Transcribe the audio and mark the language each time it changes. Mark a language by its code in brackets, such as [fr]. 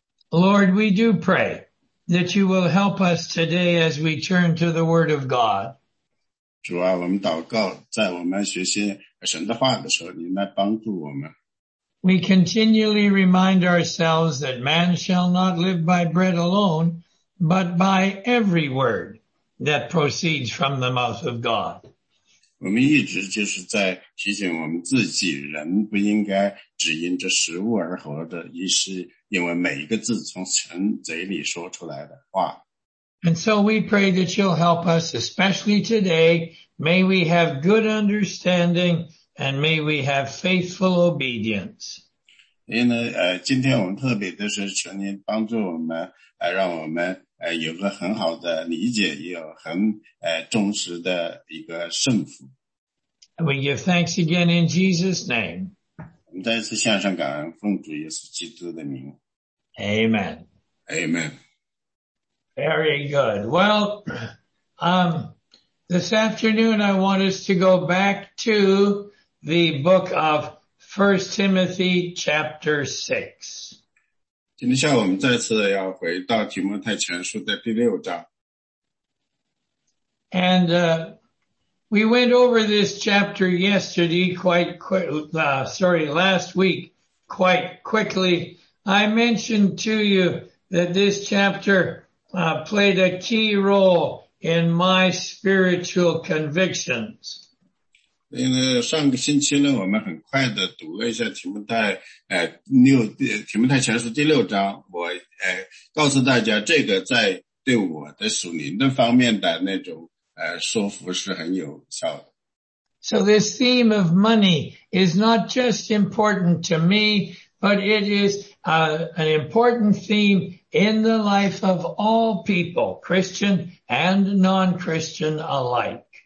[en] Lord, we do pray that you will help us today as we turn to the Word of God. [zh] 主啊，我们祷告，在我们学习神的话的时候，你来帮助我们。 [en] We continually remind ourselves that man shall not live by bread alone, but by every word that proceeds from the mouth of God. [zh] 我们一直就是在提醒我们自己，人不应该只因着食物而活的，一是因为每一个字从神嘴里说出来的话。 [en] And so we pray that you'll help us, especially today. May we have good understanding and may we have faithful obedience. [zh] 因为今天我们特别的是求您帮助我们让我们有个很好的理解，也有很忠实的一个圣父。 [en] We give thanks again in Jesus' name. [zh] 我们再次向上感恩，奉主耶稣基督的名。 [en] Amen. Amen. Very good. Well, this afternoon I want us to go back to the book of 1 Timothy chapter 6. [zh] 今天下午我们再次要回到提摩太前书的第六章。 [en] And, we went over this chapter yesterday quite quick, last week quite quickly. I mentioned to you that this chapter, played a key role in my spiritual convictions. [zh] 因为上个星期呢，我们很快的读了一下提摩太前书第六章，我告诉大家这个在对我的属灵的方面的那种说服是很有效的。 [en] So this theme of money is not just important to me, but it is an important theme in the life of all people, Christian and non-Christian alike.